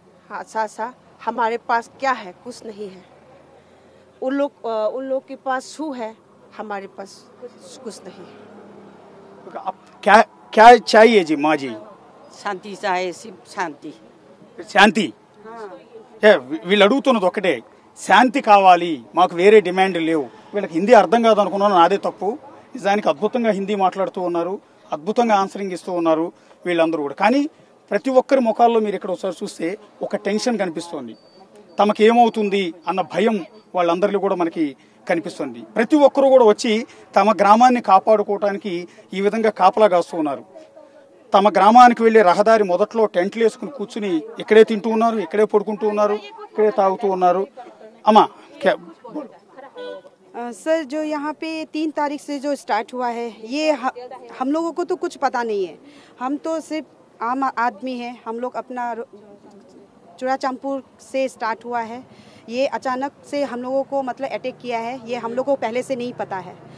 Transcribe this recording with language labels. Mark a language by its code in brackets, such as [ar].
[hi] हाँ सा हमारे पास क्या है, कुछ नहीं है. उन लोग के पास सू है, हमारे पास कुछ नहीं है. आप क्या क्या चाहिए जी? माँ जी शांति चाहे, सिर्फ शांति शांति. हाँ [te] वील अड़ुतुन्नदि ओकटे शांति कावाली, माकु वेरे डिमांड लेवु. वीळ्ळकि हिंदी अर्थं कादु अनुकुन्नानु, नादे तप्पु. నిజానికి అద్భుతంగా హిందీ మాట్లాడుతూ ఉన్నారు, అద్భుతంగా ఆన్సరింగ్ ఇస్తూ ఉన్నారు వీళ్ళందరూ కూడా. కానీ ప్రతి ఒక్కరి ముఖాల్లో మీరు ఇక్కడ ఒకసారి చూస్తే ఒక టెన్షన్ కనిపిస్తోంది, తమకు ఏమవుతుంది అన్న భయం వాళ్ళందరిలో కూడా మనకి కనిపిస్తుంది. ప్రతి ఒక్కరూ కూడా వచ్చి తమ గ్రామాన్ని కాపాడుకోవటానికి ఈ విధంగా కాపలా కాస్తూ ఉన్నారు. తమ గ్రామానికి వెళ్ళే రహదారి మొదట్లో టెంట్లు వేసుకుని కూర్చుని ఇక్కడే తింటూ ఉన్నారు, ఇక్కడే పడుకుంటూ ఉన్నారు, ఇక్కడే తాగుతూ ఉన్నారు. అమ్మా [hi] सर, जो यहाँ पे 3 तारीख से जो स्टार्ट हुआ है, ये हम लोगों को तो कुछ पता नहीं है. हम तो सिर्फ आम आदमी हैं, हम लोग अपना चुराचंपुर से स्टार्ट हुआ है. ये अचानक से हम लोगों को मतलब अटैक किया है, ये हम लोगों को पहले से नहीं पता है.